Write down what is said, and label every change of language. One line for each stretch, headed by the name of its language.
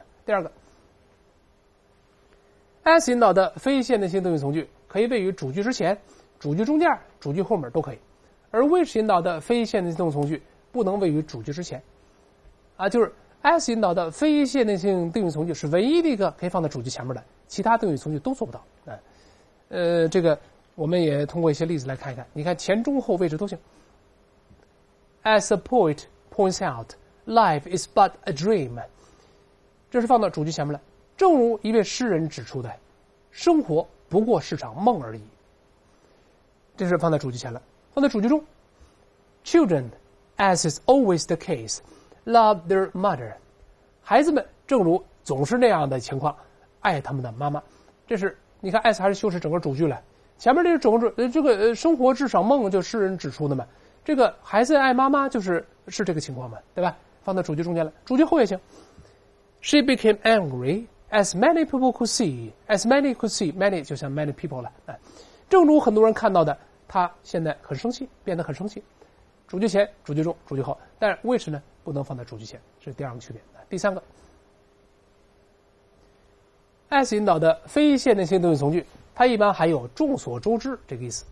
Chinese: 第二个， S 引导的非限定性定语从句可以位于主句之前、主句中间、主句后面都可以，而 which 引导的非限定性从句不能位于主句之前。啊，就是S 引导的非限定性定语从句是唯一的一个可以放在主句前面的，其他定语从句都做不到。这个我们也通过一些例子来看一看。你看前中后位置都行。
English: As a poet points out, life is but a dream.
Chinese: 这是放到主句前面的。正如一位诗人指出的，生活不过是场梦而已。这是放在主句前了，放在主句中。
English: Children, as is always the case,Love their mother，
Chinese: 孩子们正如总是那样的情况，爱他们的妈妈。这是你看 ，S 还是修饰整个主句了。前面这是整个主，生活至少梦，就诗人指出的嘛。这个孩子爱妈妈，就是这个情况嘛，对吧？放在主句中间了，主句后也行。
English: She became angry as many people could see， as many could see， many
Chinese: 就像
English: many people 了。
Chinese: 哎，正如很多人看到的，她现在很生气，变得很生气。主句前、主句中、主句后，但是 which 呢？不能放在主句前，这是第二个区别。第三个 ，S 引导的非限定性定语从句，它一般含有“众所周知”这个意思。